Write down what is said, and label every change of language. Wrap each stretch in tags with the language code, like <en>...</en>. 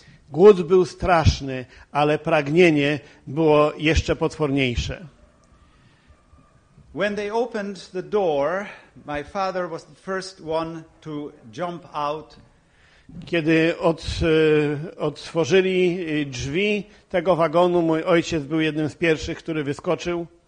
<pl>Głód był straszny, ale pragnienie było jeszcze potworniejsze.</pl> <en>When they opened the door, my father was the first one to jump out.</en> <pl>Kiedy otworzyli drzwi tego wagonu, mój ojciec był jednym z pierwszych, który wyskoczył.</pl>